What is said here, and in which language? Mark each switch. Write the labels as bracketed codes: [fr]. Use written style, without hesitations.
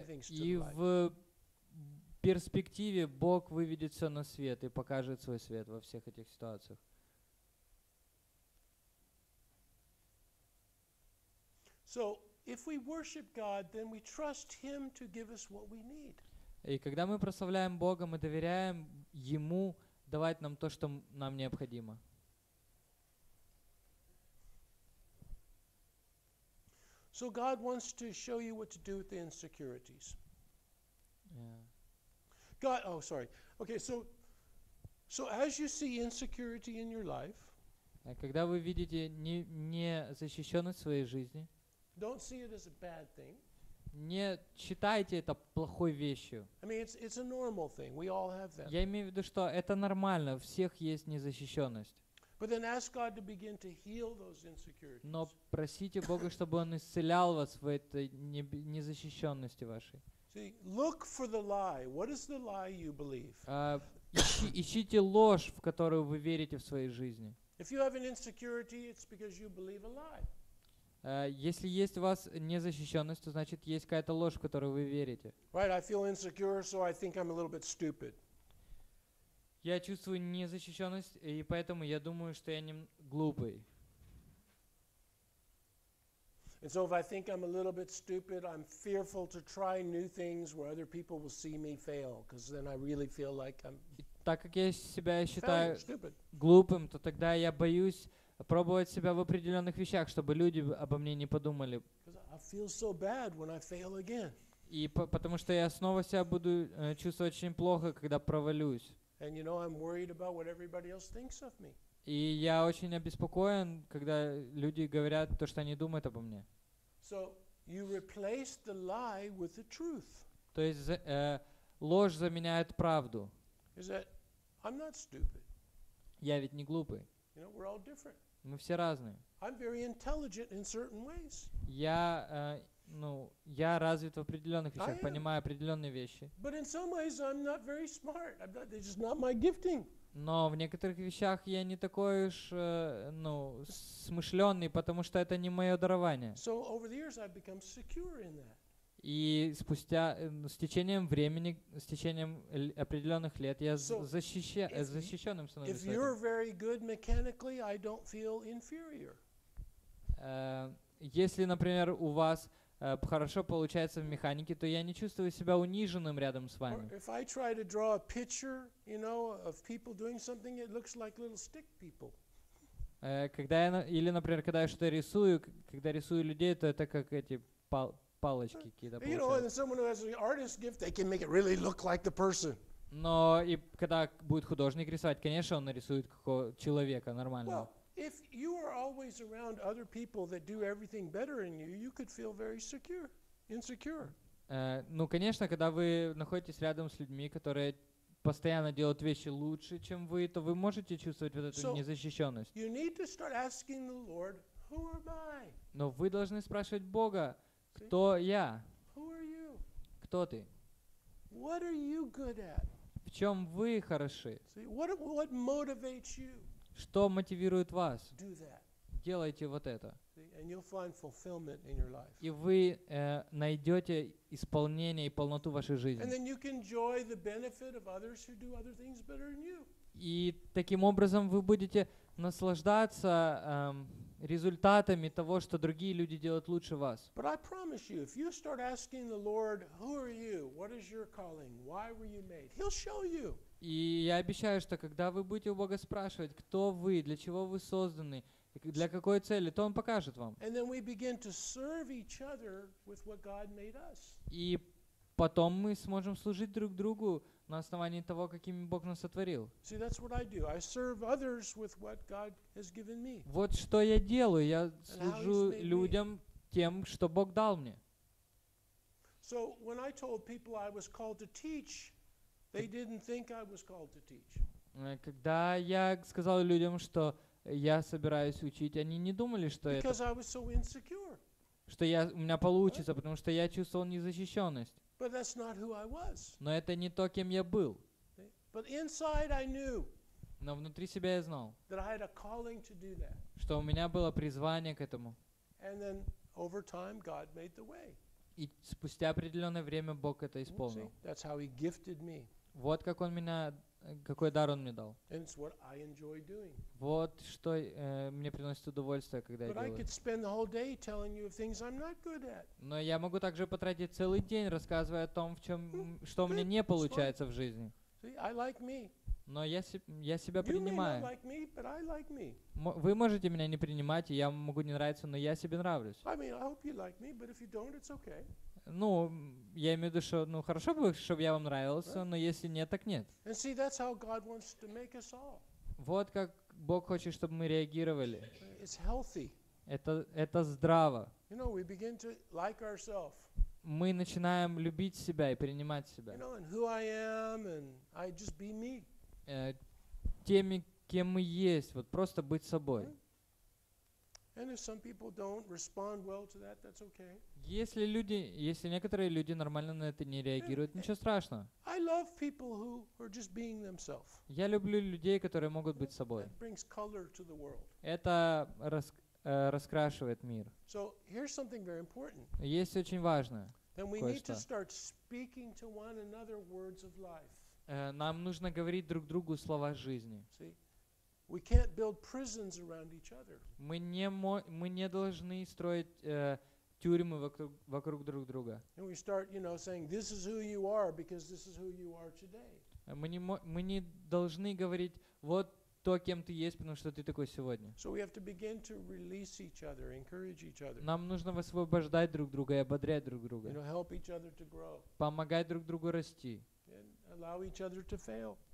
[ru] И в перспективе Бог выведет все на свет и покажет свой свет во всех этих ситуациях. [en] So, if we worship God, then we trust Him to give us what we need. [ru] И когда мы прославляем Бога, мы доверяем Ему давать нам то, что нам необходимо. [en] So God wants to show you what to do with the insecurities. Yeah. God, oh, sorry. Okay, so as you see insecurity in your life, [ru] когда вы видите незащищенность в своей жизни, [en] don't see it as a bad thing. [ru] Не считайте это плохой вещью. [en] I mean, it's a normal thing. We all have that. [ru] Я имею в виду, что это нормально. У всех есть незащищенность. [en] But then ask God to begin to heal those insecurities. [ru] Но просите Бога, чтобы Он исцелял вас в этой незащищенности вашей. [en] See, look for the lie. What is the lie you believe? [ru] Ищите ложь, в которую вы верите в своей жизни. [en] If you have an insecurity, it's because you believe a lie. [ru] Если есть у вас незащищенность, то значит есть какая-то ложь, в которую вы верите. [en] Right, I feel insecure, so I think I'm a little bit stupid. [ru] Я чувствую незащищенность, и поэтому я думаю, что я глупый. [en] And so if I think I'm a little bit stupid, I'm fearful to try new things where other people will see me fail, because then I really feel like I'm. [ru] Так как я себя считаю глупым, то тогда я боюсь пробовать себя в определенных вещах, чтобы люди обо мне не подумали. [en] I feel so bad when I fail again. [ru] И потому что я снова себя буду чувствовать очень плохо, когда провалюсь. [en] And you know, I'm worried about what everybody else thinks of me. [ru] И я очень обеспокоен, когда люди говорят то, что они думают обо мне. [en] So you replace the lie with the truth. [ru] То есть ложь заменяет правду. [en] Is that, I'm not stupid. [ru] Я ведь не глупый. [en] You know, we're all different. [ru] Мы все разные. [en] I'm very intelligent in certain ways. [ru] Я, ну, я развит в определенных вещах, [en] I [ru] понимаю [en] am. [ru] Определенные вещи. [en] But in some ways I'm not very smart. I'm not, it's just not my gifting. [ru] Но в некоторых вещах я не такой уж, ну, смышленный, потому что это не мое дарование. [en] So over the years I've become secure in that. [ru] И спустя, с течением времени, с течением определенных лет, я защищенным становлюсь. [en] If you're very good mechanically, I don't feel inferior. [ru] Если, например, у вас хорошо получается в механике, то я не чувствую себя униженным рядом с вами. [en] Or if I try to draw a picture, you know, of people doing something, it looks like little stick people. [ru] Когда я, или, например, когда я что-то рисую, когда рисую людей, то это как эти палочки какие-то получаются. [en] You know, and someone who has an artist gift, they can make it really look like the person. [ru] Но и когда будет художник рисовать, конечно, он нарисует какого-то человека нормального. [en] Well, if you are always around other people that do everything better than you, you could feel very secure, insecure. [ru] Ну, конечно, когда вы находитесь рядом с людьми, которые постоянно делают вещи лучше, чем вы, то вы можете чувствовать вот эту незащищенность. [en] You need to start asking the Lord, who am I? [ru] Но вы должны спрашивать Бога, кто я? [en] Who are you? [ru] Кто ты? [en] What are you good at? [ru] В чем вы хороши? [en] See, what motivates you? [ru] Что мотивирует вас? [en] Do that. [ru] Делайте вот это. [en] See, and you'll find fulfillment in your life. [ru] И вы найдете исполнение и полноту вашей жизни. [en] And then you can enjoy the benefit of others who do other things better than you. [ru] И таким образом вы будете наслаждаться результатами того, что другие люди делают лучше вас. [en] But I promise you, if you start asking the Lord, who are you? What is your calling? Why were you made? He'll show you. [ru] И я обещаю, что когда вы будете у Бога спрашивать, кто вы, для чего вы созданы, для какой цели, то Он покажет вам. [en] And then we begin to serve each other with what God made us. [ru] И потом мы сможем служить друг другу на основании того, каким Бог нас сотворил. [en] See, that's what I do. I serve others with what God has given me. [ru] Вот что я делаю. Я служу людям тем, что Бог дал мне. [en] So when I told people I was called to teach, they didn't think I was called to teach. [ru] Когда я сказал людям, что я собираюсь учить, они не думали, что это. [en] Because I was so insecure. [ru] Что я, у меня получится, [en] right? [ru] Потому что я чувствовал незащищенность. [en] But that's not who I was. [ru] Но это не то, кем я был. [en] But inside I knew. [ru] Но внутри себя я знал. [en] That I had a calling to do that. [ru] Что у меня было призвание к этому. [en] And then over time God made the way. [ru] И спустя определенное время Бог это исполнил. [en] See, that's how he gifted me. [ru] Вот как он меня, какой дар он мне дал. [en] And it's what I enjoy doing. [ru] Вот что мне приносит удовольствие, когда [en] But I could spend the whole day telling you things I'm not good at. [ru] Но я могу также потратить целый день, рассказывая о том, в чем, что у меня не получается в жизни. [en] See, I like me. [ru] Но я себя [en] you [ru] принимаю. [en] May not like me, but I like me. [ru] Вы можете меня не принимать, и я могу не нравиться, но я себе нравлюсь. [en] I mean, I hope you like me, but if you don't, it's okay. [ru] Ну, я имею в виду, что ну, хорошо бы, чтобы я вам нравился, [en] right? [ru] Но если нет, так нет. [en] And see, that's how God wants to make us all. [ru] Вот как Бог хочет, чтобы мы реагировали. [en] It's healthy. [ru] Это здраво. [en] You know, we begin to like ourselves. [ru] Мы начинаем любить себя и принимать себя. [en] You know, and who I am, and I just be me. [ru] Теми, кем мы есть, вот просто быть собой. [en] And if some people don't respond well to that, that's okay. [ru] Если люди, если некоторые люди нормально на это не реагируют, ничего страшного. [en] I love people who are just being themselves. [ru] Я люблю людей, которые могут быть собой. [en] That brings color to the world. [ru] Это раскрашивает мир. [en] So here's something very important. [ru] Есть очень важное. [en] Then we need to start speaking to one another words of life. [ru] Нам нужно говорить друг другу слова жизни. [en] See, we can't build prisons around each other. [ru] Мы не должны строить тюрьмы вокруг друг друга. [en] And we start, you know, saying this is who you are because this is who you are today. [ru] Мы не должны говорить вот то, кем ты есть, потому что ты такой сегодня. [en] So we have to begin to release each other, encourage each other. [ru] Нам нужно высвобождать друг друга и ободрять друг друга. [en] You know, help each other to grow. [ru] Помогать друг другу расти. [en] And allow each other to fail.